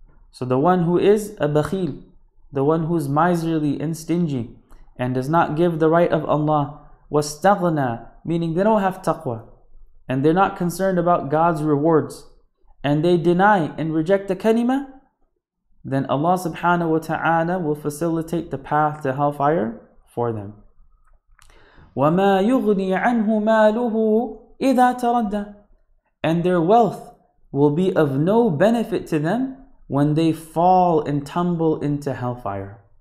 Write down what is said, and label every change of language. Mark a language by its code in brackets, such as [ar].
[en] So the one who is a بَخِيل, the one who is miserly and stingy and does not give the right of Allah. [ar] وَاسْتَغْنَى, [en] meaning they don't have taqwa, and they're not concerned about God's rewards, and they deny and reject the kalima, then Allah subhanahu wa ta'ala will facilitate the path to hellfire for them. [ar] وَمَا يُغْنِي عَنْهُ مَالُهُ إِذَا تَرَدَّى. [en] And their wealth will be of no benefit to them when they fall and tumble into hellfire.